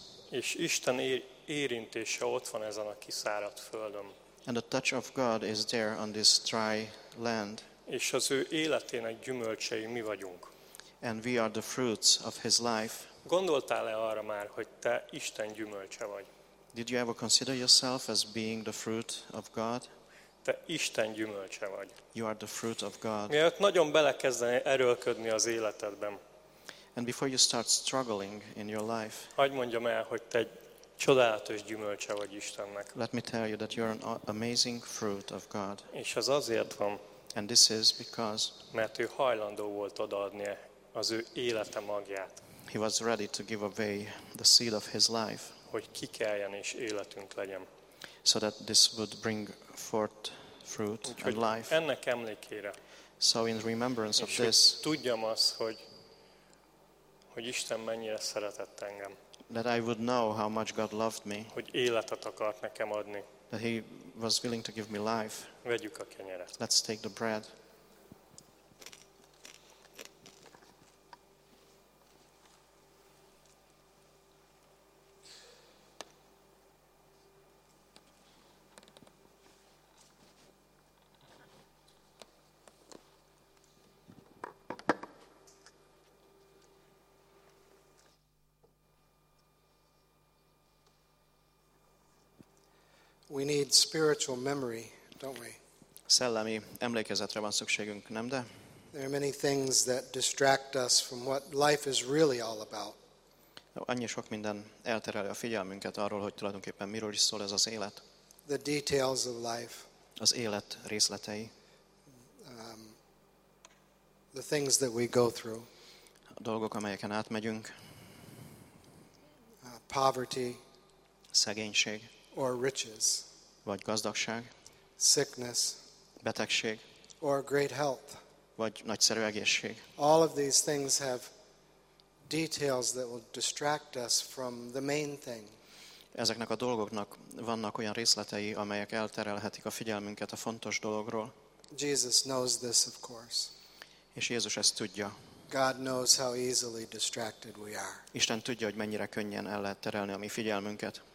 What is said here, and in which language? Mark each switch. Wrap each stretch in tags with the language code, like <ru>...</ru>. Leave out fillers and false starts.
<hu>És Isten érintése ott van ezen a kiszáradt földön.</hu> <en>And the touch of God is there on this dry land.</en> <hu>És az ő életének gyümölcsei mi vagyunk.</hu> <en>And we are the fruits of his life.</en> <hu>Gondoltál-e arra már, hogy te Isten gyümölcse vagy?</hu> <en>Did you ever consider yourself as being the fruit of God?</en> <hu>Te Isten gyümölcse vagy.</hu> <en>You are the fruit of God.</en> <hu>Mielőtt nagyon belekezdenél erőlködni az életedben.</hu> <en>And before you start struggling in your life.</en> <hu>Hadd mondjam el, hogy te csodálatos gyümölcse vagy Istennek.</hu> <en>Let me tell you that you're an amazing fruit of God.</en> <hu>És ez azért van.</hu> <en>And this is because.</en> <hu>Mert ő hajlandó volt odaadni az ő élete magját.</hu> <en>He was ready to give away the seed of his life.</en> <hu>Hogy kikeljen és életünk legyen.</hu> <en>So that this would bring forth fruit</en> <hu>úgyhogy</hu> <en>and life.</en> <hu>Ennek emlékére.</hu> <en>So in remembrance</en> <hu>és</hu> <en>of this.</en> <hu>Tudjam azt, hogy hogy Isten mennyire szeretett engem.</hu> <en>That I would know how much God loved me.</en> <hu>Hogy életet akart nekem adni.</hu> <en>That he was willing to give me life.</en> <hu>Vegyük a kenyeret.</hu> <en>Let's take the bread. We need spiritual memory, don't we?</en> <hu>Szellemi emlékezetre van szükségünk, nem de?</hu> <en>There are many things that distract us from what life is really all about.</en> <hu>Annyi sok minden eltereli a figyelmünket arról, hogy tulajdonképpen miről is szól ez az élet.</hu> <en>The details of life.</en> <hu>Az élet részletei.</hu> <en>The things that we go through.</en> <hu>A dolgok, amelyeken átmegyünk.</hu> <en>Poverty.</en> <hu>Szegénység.</hu> <en>Or riches,</en> <hu>vagy gazdagság,</hu> <en>sickness,</en> <hu>betegség,</hu> <en>or great health,</en> <hu>vagy nagyszerű egészség.</hu> <en>All of these things have details that will distract us from the main thing.</en> <hu>Ezeknek a dolgoknak vannak olyan részletei, amelyek elterelhetik a figyelmünket a fontos dologról.</hu> <en>Jesus knows this, of course.</en> <hu>És Jézus ezt tudja.</hu> <en>God knows how easily distracted we are.</en> <hu>Isten tudja, hogy mennyire könnyen el lehet terelni a mi figyelmünket.</hu>